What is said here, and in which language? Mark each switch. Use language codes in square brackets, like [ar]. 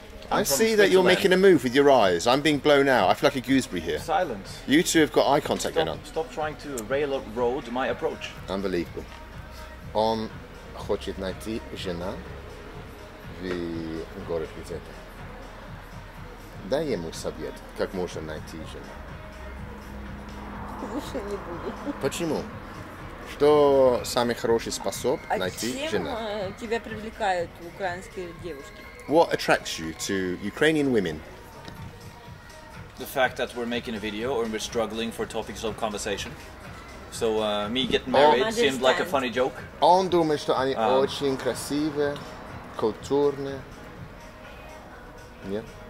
[en] I see that you're making a move with your eyes. I'm being blown out. I feel like a gooseberry here. Silence. You two have got eye contact going on. Stop trying to railroad my approach. Unbelievable. [ru] Он хочет найти жена в город где-то. Дай ему совет, как можно найти жена. Лучше не буду. Почему? Что самый хороший способ найти жена? А чем тебя привлекают украинские девушки? [en] What attracts you to Ukrainian women? The fact that we're making a video and we're struggling for topics of conversation. So me getting married seemed like a funny joke. [ru] Он думает, что они очень красивые, культурные, yeah.